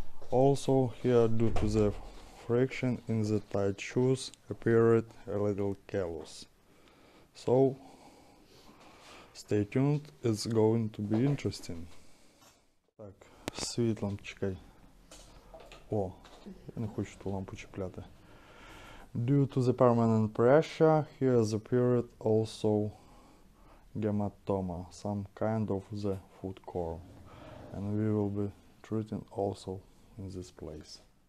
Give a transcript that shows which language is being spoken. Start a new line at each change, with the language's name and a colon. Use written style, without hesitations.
English: Also, here, due to the friction in the tight shoes, appeared a little callus. So, stay tuned, it's going to be interesting.
Ukrainian: Так, світ лампочкой. О, я не хочу ту лампу чіпляти.
English: Due to the permanent pressure, here is appeared also gematoma, some kind of the foot core. And we will be treating also in this place.